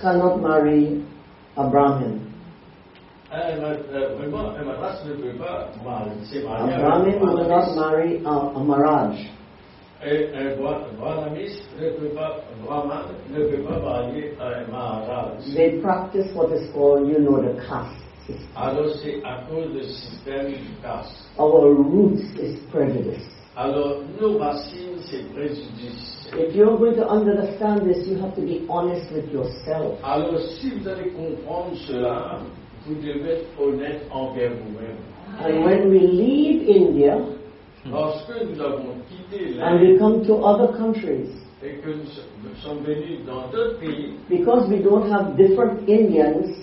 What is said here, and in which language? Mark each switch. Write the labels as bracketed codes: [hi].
[en] cannot marry a Brahmin. [fr] Un Madras ne peut pas marier. [en] A Brahmin will not marry a Maharaj. [fr] Un Brahmanis ne peut pas, Brahman ne peut pas marier un Maharaj. [en] They practice what is called, you know, the caste. [fr] Alors c'est à cause du système de caste. [en] Our roots is prejudice. [fr] Alors nos racines c'est préjudice. [en] If you're going to understand this, you have to be honest with yourself. [fr] Alors si vous allez comprendre cela, vous devez être honnête envers vous-même. [en] And when we leave India, [fr] lorsque nous avons quitté l'Inde, [en] and we come to other countries, [fr] et que nous sommes venus dans d'autres pays, [en] because we don't have different Indians,